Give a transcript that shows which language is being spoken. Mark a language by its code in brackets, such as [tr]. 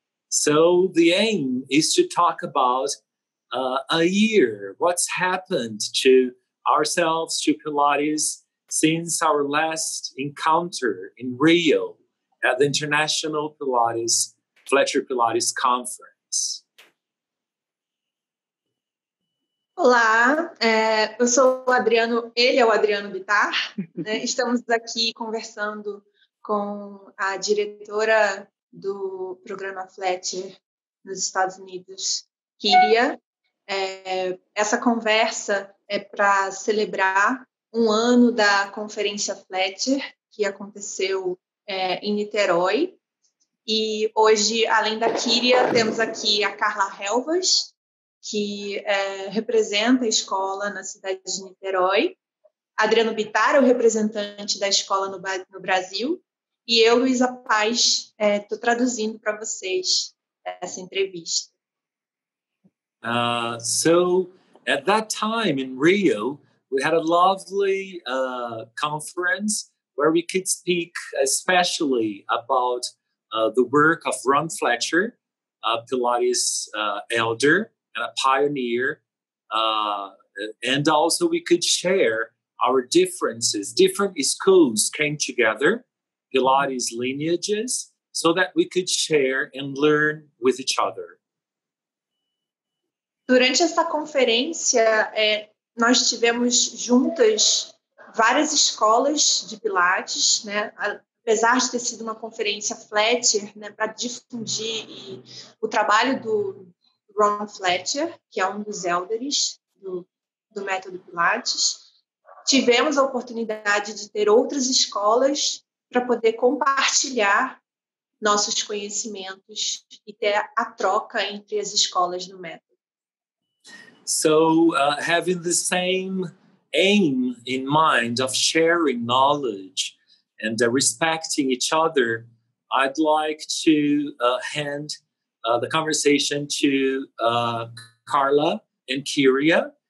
[en] So the aim is to talk about a year, what's happened to ourselves, to Pilates, since our last encounter in Rio at the International Pilates, Fletcher Pilates Conference. [pt] Olá, eu sou o Adriano, ele é o Adriano Bittar, né? Estamos aqui conversando com a diretora do programa Fletcher nos Estados Unidos, Kyria. Essa conversa é para celebrar um ano da conferência Fletcher, que aconteceu em Niterói. E hoje, além da Kyria, temos aqui a Carla Helvas, que representa a escola na cidade de Niterói. Adriano Bittar, o representante da escola no Brasil. E eu, Luisa Paes, estou traduzindo para vocês essa entrevista. [en] So, at that time in Rio, we had a lovely conference where we could speak especially about the work of Ron Fletcher, a Pilates elder and a pioneer, and also we could share our differences. Different schools came together, Pilates lineages, so that we could share and learn with each other. [pt] Durante essa conferência, nós tivemos juntas várias escolas de Pilates, né? Apesar de ter sido uma conferência Fletcher, né, para difundir o trabalho do Ron Fletcher, que é um dos elders do método Pilates, tivemos a oportunidade de ter outras escolas para poder compartilhar nossos conhecimentos e ter a troca entre as escolas do método. [en] So, having the same aim in mind of sharing knowledge and respecting each other, I'd like to hand the conversation to Carla and Kyria.